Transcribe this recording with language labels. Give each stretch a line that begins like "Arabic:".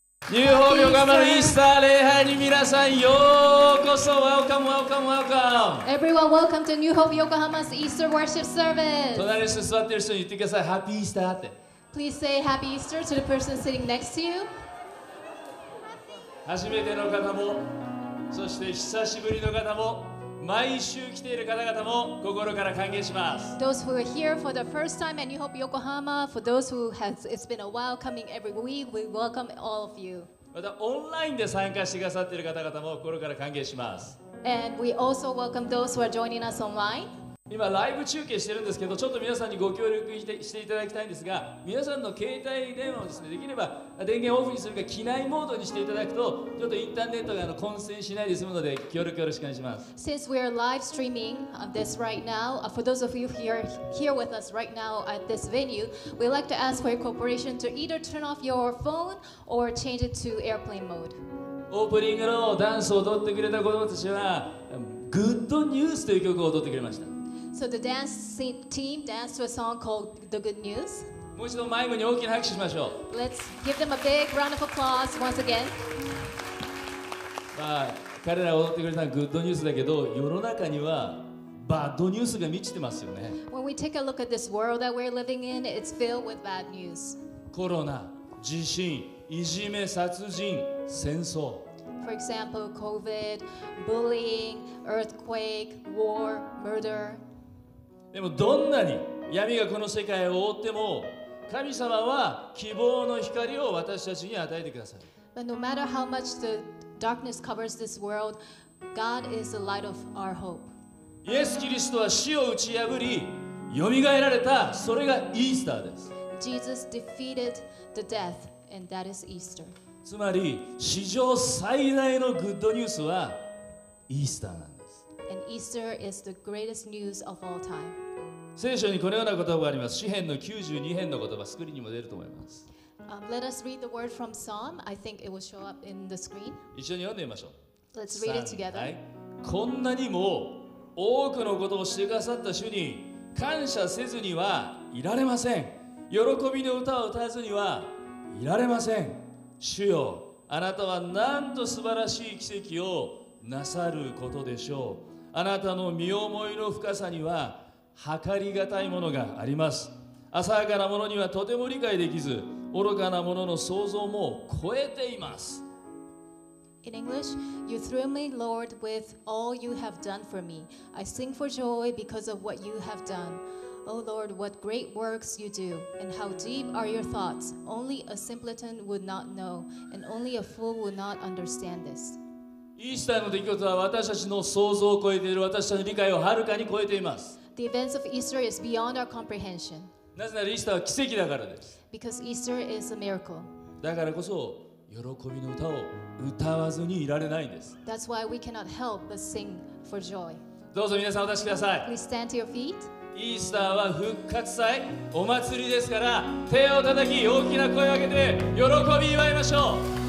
Japanese: ニューホール横浜のイースター礼拝に皆さんようこそ。
English: Welcome, welcome, welcome. Everyone, welcome to New Hope Yokohama's Easter Worship Service.
Japanese: 隣に座ってる人に言ってください。
English: Happy Easter
Japanese: って。
English: Please say Happy Easter to the person sitting next to you.
Japanese: 初めての方も、そして久しぶりの方も、毎週来ている方々も心から歓迎します。
English: Those who are here for the first time at New Hope Yokohama, for those who has, it's been a while coming every week, we welcome all of you.
Japanese: またオンラインで参加してくださっている方々も心から歓迎します。
English: And we also welcome those who are joining us online.
Japanese: 今ライブ中継してるんですけど、ちょっと皆さんにご協力していただきたいんですが、皆さんの携帯電話をですね、できれば電源オフにするか機内モードにしていただくと、ちょっとインターネットが混線しないで済むので、協力よろしくお願いします。
English: Since we are live streaming this right now, for those of you who are here with us right now at this venue, we'd like to ask for your cooperation to either turn off your phone or change it to airplane mode.
Japanese: オープニングのダンスを踊ってくれた子供たちは、グッドニュースという曲を踊ってくれました。
English: So the dance team danced to a song called The Good News.
Japanese: もう一度マイムに大きな拍手しましょう。
English: Let's give them a big round of applause once again.
Japanese: まあ、彼らが踊ってくれたのはグッドニュースだけど、世の中にはバッドニュースが満ちてますよね。
English: When we take a look at this world that we're living in, it's filled with bad news.
Japanese: コロナ、地震、いじめ、殺人、戦争。
English: For example, COVID, bullying, earthquake, war, murder.
Japanese: でもどんなに闇がこの世界を覆っても、神様は希望の光を私たちに与えてください。
English: But no matter how much the darkness covers this world, God is the light of our hope.
Japanese: イエス・キリストは死を打ち破り蘇られた。それがイースターです。
English: Jesus defeated the death and that is Easter.
Japanese: つまり史上最大のグッドニュースはイースターなんです。
English: And Easter is the greatest news of all time.
Japanese: 聖書にこのような言葉があります。詩篇の92編の言葉、スクリーンにも出ると思います。
English: Let us read the word from Psalm. I think it will show up in the screen.
Japanese: 一緒に読んでみましょう。
English: Let's read it together.
Japanese: はい。こんなにも多くのことをしてくださった主に感謝せずにはいられません。喜びの歌を歌わずにはいられません。主よ、あなたはなんと素晴らしい奇跡をなさることでしょう。あなたの身思いの深さには計りがたいものがあります。浅はかなものにはとても理解できず、愚かなものの想像も超えています。
English: In English, you thrill me, Lord, with all you have done for me. I sing for joy because of what you have done. Oh Lord, what great works you do, and how deep are your thoughts. Only a simpleton would not know, and only a fool would not understand this.
Japanese: イースターの出来事は私たちの想像を超えている。私たちの理解をはるかに超えています。
English: The events of Easter is beyond our comprehension.
Japanese: なぜならイースターは奇跡だからです。
English: Because Easter is a miracle.
Japanese: だからこそ喜びの歌を歌わずにいられないんです。
English: That's why we cannot help but sing for joy.
Japanese: どうぞ皆さんお立ちください。
English: Please stand to your feet.
Japanese: イースターは復活祭、お祭りですから、手を叩き大きな声を上げて喜び祝いましょう。